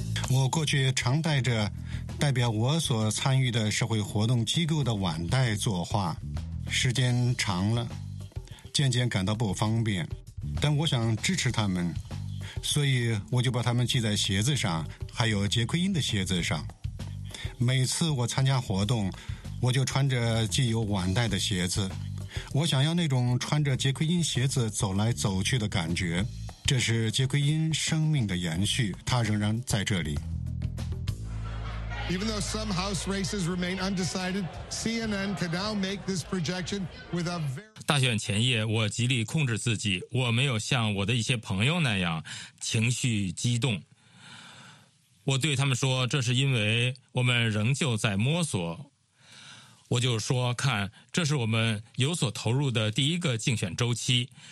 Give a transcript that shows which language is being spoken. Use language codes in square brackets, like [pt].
[zh] 我过去常带着代表我所参与的社会活动机构的腕带作画，时间长了，渐渐感到不方便，但我想支持他们，所以我就把他们系在鞋子上，还有杰奎因的鞋子上。每次我参加活动，我就穿着系有腕带的鞋子，我想要那种穿着杰奎因鞋子走来走去的感觉。这是杰奎因生命的延续，他仍然在这里。 [en] Even though some House races remain undecided, CNN can now make this projection with a very... [zh] 大选前夜，我极力控制自己，我没有像我的一些朋友那样情绪激动。我对他们说，这是因为我们仍旧在摸索。我就说，看，这是我们有所投入的第一个竞选周期。